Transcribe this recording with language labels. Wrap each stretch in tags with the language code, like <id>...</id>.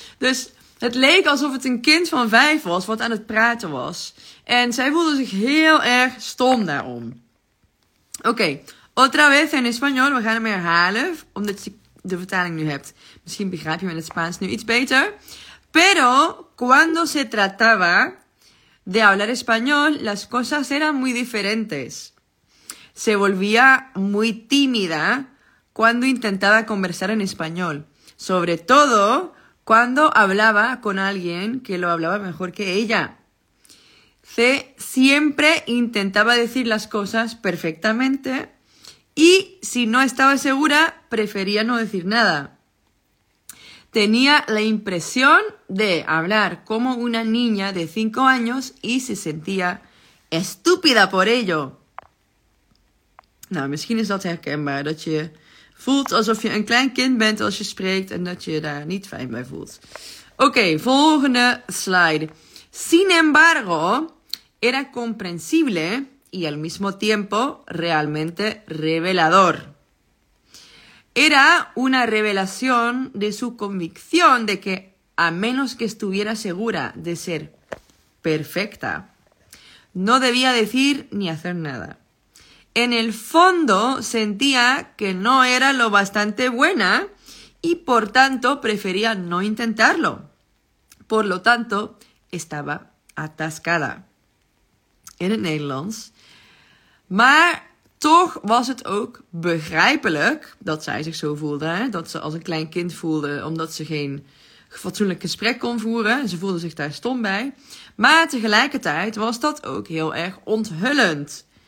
<nl>Dus het leek alsof het een kind van 5 was wat aan het praten was. En zij voelde zich heel erg stom daarom. Oké.</nl> <es>Otra vez en español.</es> <nl>We gaan hem herhalen, omdat je de vertaling nu hebt. Misschien begrijp je met het Spaans nu iets beter.</nl> <es>Pero cuando se trataba de hablar español, las cosas eran muy diferentes. Se volvía muy tímida cuando intentaba conversar en español. Sobre todo cuando hablaba con alguien que lo hablaba mejor que ella. C. Siempre intentaba decir las cosas perfectamente. Y si no estaba segura, prefería no decir nada. Tenía la impresión de hablar como una niña de 5 años y se sentía estúpida por ello.</es> <nl>Nou, misschien is dat herkenbaar, dat je voelt alsof je een klein kind bent als je spreekt en dat je daar niet fijn bij voelt. Oké, volgende slide.</nl> <es>Sin embargo, era comprensible y al mismo tiempo realmente revelador. Era una revelación de su convicción de que, a menos que estuviera segura de ser perfecta, no debía decir ni hacer nada. En el fondo, sentía que no era lo bastante buena y, por tanto, prefería no intentarlo. Por lo tanto, estaba atascada.</es> <nl>En het Nederlands. Maar toch was het ook begrijpelijk dat zij zich zo voelde. Hè? Dat ze als een klein kind voelde omdat ze geen fatsoenlijk gesprek kon voeren. Ze voelde zich daar stom bij. Maar tegelijkertijd was dat ook heel erg onthullend.</nl>